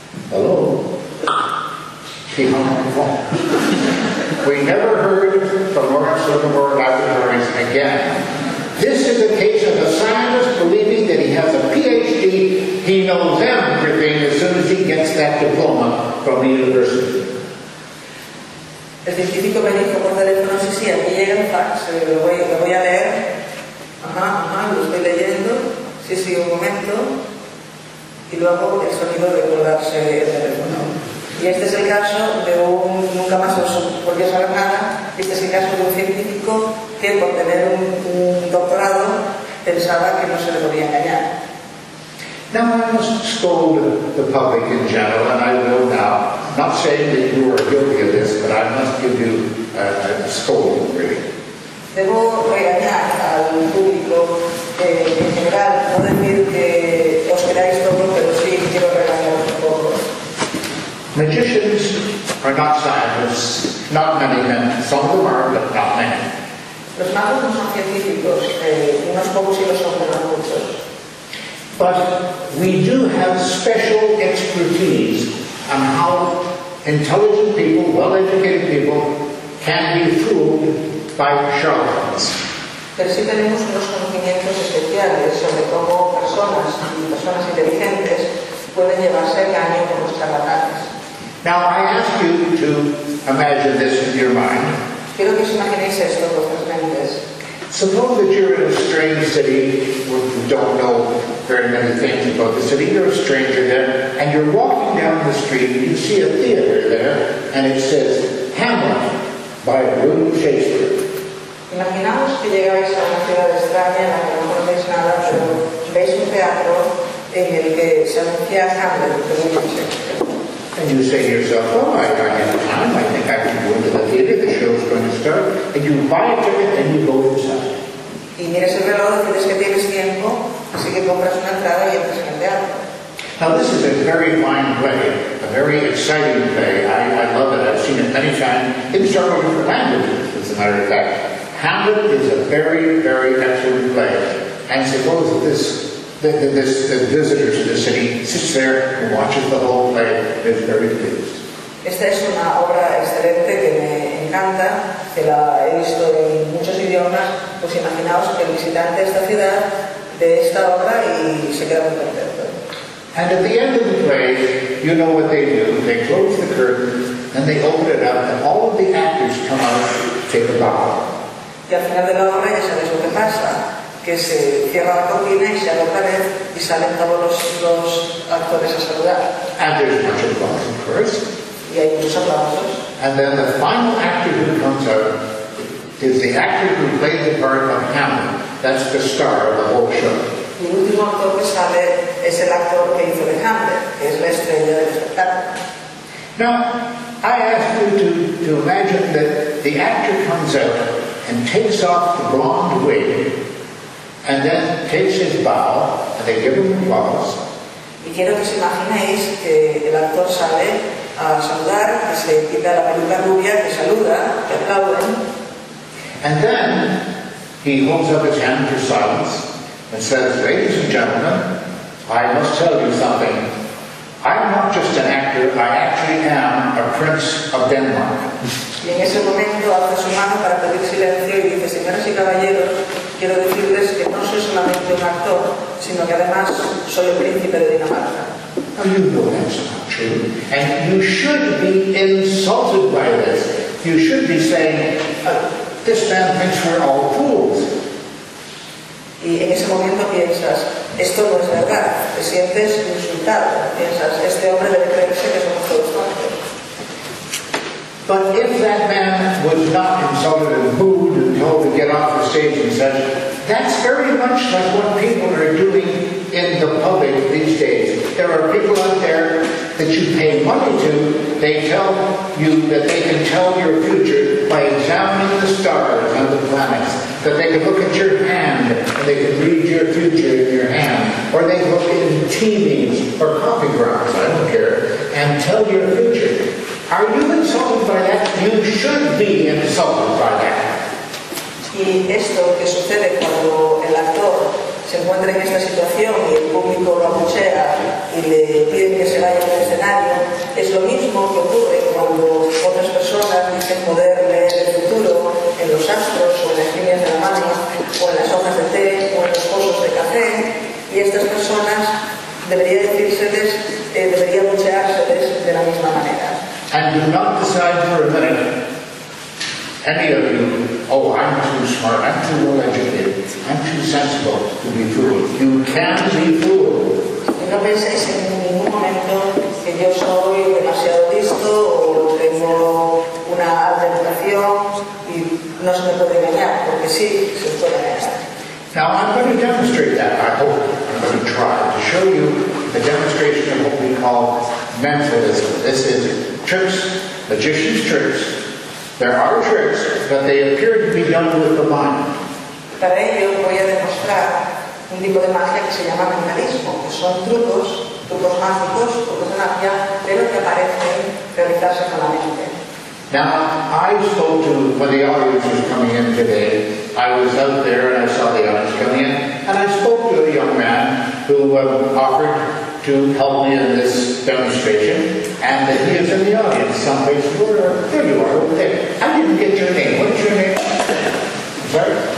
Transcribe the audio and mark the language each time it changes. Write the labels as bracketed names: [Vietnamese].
[English] Hello? He hung up the phone. We never heard from Lawrence Livermore Laboratories again. This is a case of a scientist believing that he has a PhD. He knows everything as soon as he gets that diploma from the university. [Spanish] El científico me dijo por teléfono, sí, sí, aquí llega el fax, lo voy a leer. Ajá, lo estoy leyendo. Sí, sí, un momento. Y luego el sonido de colgarse el teléfono. Y este es el caso de un nunca más os volví a saber nada. Este es el caso de un científico que por tener un doctorado pensaba que no se le podía engañar. [English] Now I must scold the public in general, and I will now, not saying that you are guilty of this, but I must give you a scolding, really. [Spanish] Debo regañar al público en general, no decir que os queráis todo, pero sí quiero regañar un poco. [English] Magicians are not scientists, not many men, some of them are, but not many. [Spanish] Los magos no son científicos, unos pocos y los otros no muchos. [English] But we do have special expertise on how intelligent people, well-educated people, can be fooled by charlatans. [Spanish] Pero sí tenemos unos conocimientos especiales sobre cómo personas y personas inteligentes pueden llevarse engaño con los charlatanes. [English] Now I ask you to imagine this in your mind. [Spanish] Quiero que os imaginéis esto con vuestras mentes. [English] Suppose that you're in a strange city where you don't know very many things about the city. You're a stranger there, and you're walking down the street, and you see a theater there, and it says, Hamlet, by William Shakespeare. [Spanish] Imaginaos que llegáis a una ciudad extraña en la que no conocéis nada, pero veis un teatro en el que se anuncia Hamlet, de William Shakespeare. [English] And you say to yourself, oh, I don't have time, I think I can go into the theater, the show's going to start, and you buy a ticket and you go inside. [Spanish] Y miras el reloj, dices que tienes tiempo, así que compras una entrada y entras en el teatro. [English] Now this is a very fine play, a very exciting play. I love it, I've seen it many times. It's started with Hamlet, as a matter of fact. Hamlet is a very, very excellent play. And suppose that the visitors to the city sits there and watches the whole play and is very pleased. [Spanish] Esta es una obra excelente que me encanta, que la he visto en muchos idiomas. Pues imaginaos que el visitante de esta ciudad ve esta obra y se queda muy contento. [English] And at the end of the play, you know what they do. They close the curtain and they open it up and all of the actors come out to take a bow. [Spanish] Y al final de la obra ya sabes lo que pasa. Que se cierra la cortina y se abre otra vez y salen todos los actores a saludar. [English] And there's much applause, of course. [Spanish] Y hay muchos aplausos. [English] And then the final actor who comes out is the actor who played the part of Hamlet. That's the star of the whole show. [Spanish] Y el último actor que sale es el actor que hizo de Hamlet, que es la estrella del espectáculo. [English] Now, I ask you to imagine that the actor comes out and takes off the blonde wig and then takes his bow, and they give him applause. [Spanish] Y quiero que os imaginéis que el actor sale a saludar, que se quita la peluca rubia, que saluda, que aplaude. [English] And then he holds up his hand for silence and says, ladies and gentlemen, I must tell you something. I'm not just an actor, I actually am a prince of Denmark. [Spanish] Y en ese momento alza su mano para pedir silencio y dice, señoras y caballeros, quiero decirles que no soy solamente un actor, sino que además soy el príncipe de Dinamarca. [English] Now you know that's not true, and you should be insulted by this. You should be saying, this man thinks we're all fools. [Spanish] Y en ese momento piensas, esto no es verdad. Te sientes insultado. Piensas, este hombre debe creerse que somos todos tontos. [English] But if that man was not insulted and booed and told to get off the stage and such, that's very much like what people are doing in the public these days. There are people out there that you pay money to, they tell you that they can tell your future by examining the stars and the planets, that they can look at your hand and they can read your future in your hand, or they look in tea leaves or coffee grounds, I don't care, and tell your future. Are you insulted by that? You should be insulted by that. [Spanish] Y esto que sucede cuando el actor se encuentra en esta situación y el público lo abuchea y le piden que se vaya del escenario, es lo mismo que ocurre cuando otras personas dicen poder leer el futuro en los astros o en las líneas de la mano o en las hojas de té o en los pozos de café, y estas personas deberían decírseles, deberían abucheárseles de la misma manera. [English] And do not decide for a minute, any of you, oh, I'm too smart, I'm too well educated, I'm too sensible to be fooled. You can be fooled. [Spanish] No penséis en ningún momento que yo soy demasiado listo o tengo una alta educación y no se me puede engañar, porque sí, se puede engañar. [English] Now I'm going to demonstrate that, I hope, I'm going to try to show you the demonstration of what we call mentalism. This is tricks, magician's tricks. There are tricks, but they appear to be done with the mind. [Spanish] Para ello voy a demostrar un tipo de magia que se llama mentalismo, que son trucos, trucos mágicos, trucos de magia, pero que aparecen realizarse con la mente. [English] Now, I spoke to, when the audience was coming in today, I was out there and I saw the audience coming in, and I spoke to a young man who offered to help me in this demonstration, and he is in the audience someplace. Where, there you are, over there. I didn't get your name. What's your name? Sorry?